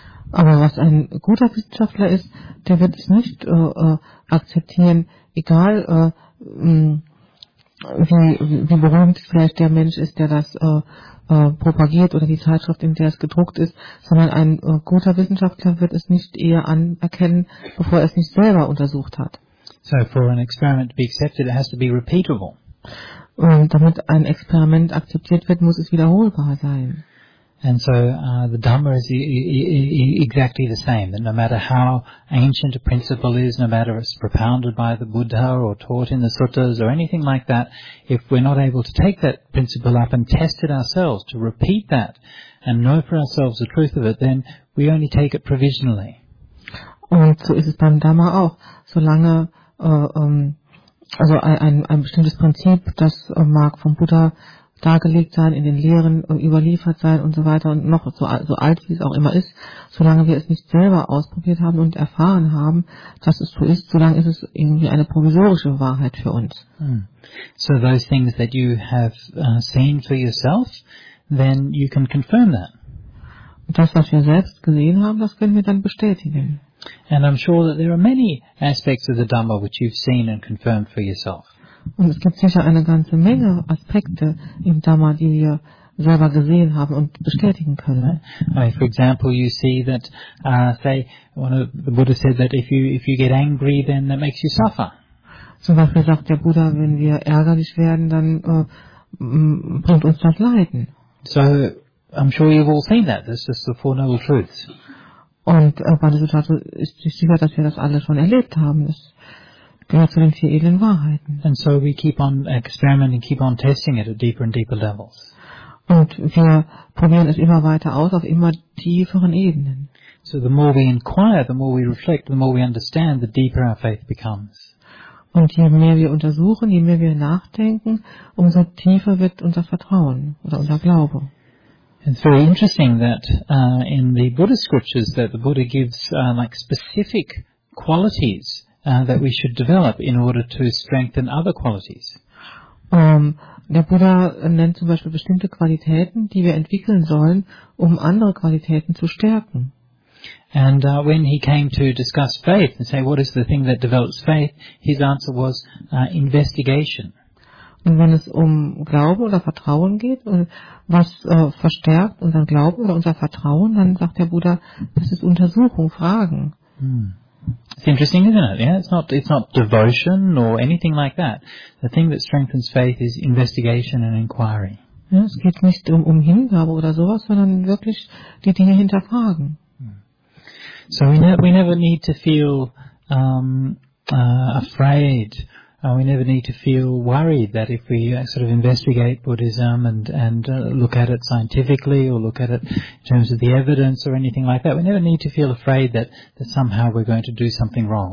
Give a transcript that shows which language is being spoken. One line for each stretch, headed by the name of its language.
German: Aber was ein guter Wissenschaftler ist, der wird es nicht akzeptieren, egal wie berühmt vielleicht der Mensch ist, der das propagiert oder die Zeitschrift, in der es gedruckt ist, sondern ein guter Wissenschaftler wird es nicht eher anerkennen, bevor er es nicht selber untersucht hat.
English: So for an experiment to be accepted, it has to be repeatable.
German: Damit ein Experiment akzeptiert wird, muss es wiederholbar sein.
English: And so the Dhamma is exactly the same, that no matter how ancient a principle is, no matter if it's propounded by the Buddha or taught in the suttas or anything like that, if we're not able to take that principle up and test it ourselves, to repeat that and know for ourselves the truth of it, then we only take it provisionally.
German: Und so ist es beim Dhamma auch. Solange also ein bestimmtes Prinzip, das mag vom Buddha dargelegt sein, in den Lehren überliefert sein und so weiter und noch so alt, wie es auch immer ist, solange wir es nicht selber ausprobiert haben und erfahren haben, dass es so ist, solange ist es irgendwie eine provisorische Wahrheit für uns. Hmm.
English: So those things that you have seen for yourself, then you can confirm that.
German: Das, was wir selbst gesehen haben, das können wir dann bestätigen.
English: And I'm sure that there are many aspects of the Dhamma which you've seen and confirmed for yourself.
German: Und es gibt sicher eine ganze Menge Aspekte im Dhamma, die wir selber gesehen haben und bestätigen können.
English: Right. For example, you see that, say, one of the Buddha said that if you get angry, then that makes you suffer.
German: Zum Beispiel sagt der Buddha, wenn wir ärgerlich werden, dann bringt uns das Leiden.
English: So, I'm sure you've all seen that. This is the Four Noble Truths.
German: Und Bodhisattva ist sicher, dass wir das alle schon erlebt haben. Das gehört zu den vier edlen Wahrheiten.
English: And so we keep on experimenting, keep on testing it at deeper and deeper levels.
German: Und wir probieren es immer weiter aus, auf immer tieferen Ebenen.
English: So the more we inquire, the more we reflect, the more we understand, the deeper our faith becomes.
German: Und je mehr wir untersuchen, je mehr wir nachdenken, umso tiefer wird unser Vertrauen oder unser Glaube.
English: It's very interesting that in the Buddhist scriptures that the Buddha gives like specific qualities that we should develop in order to strengthen other qualities.
German: Der Buddha nennt zum Beispiel bestimmte Qualitäten, die wir entwickeln sollen, um andere Qualitäten zu stärken.
English: And when he came to discuss faith and say, what is the thing that develops faith, his answer was investigation.
German: Und wenn es um Glauben oder Vertrauen geht, und was verstärkt unseren Glauben oder unser Vertrauen, dann sagt der Buddha, das ist Untersuchung, Fragen.
English: It's interesting, isn't it? Yeah, it's not devotion or anything like that. The thing that strengthens faith is investigation and inquiry.
German: Ja, es geht nicht um Hingabe oder sowas, sondern wirklich die Dinge hinterfragen.
English: So we never need to feel afraid. We never need to feel worried that if we sort of investigate Buddhism and look at it scientifically or look at it in terms of the evidence or anything like that, we never need to feel afraid that somehow we're going to do something wrong.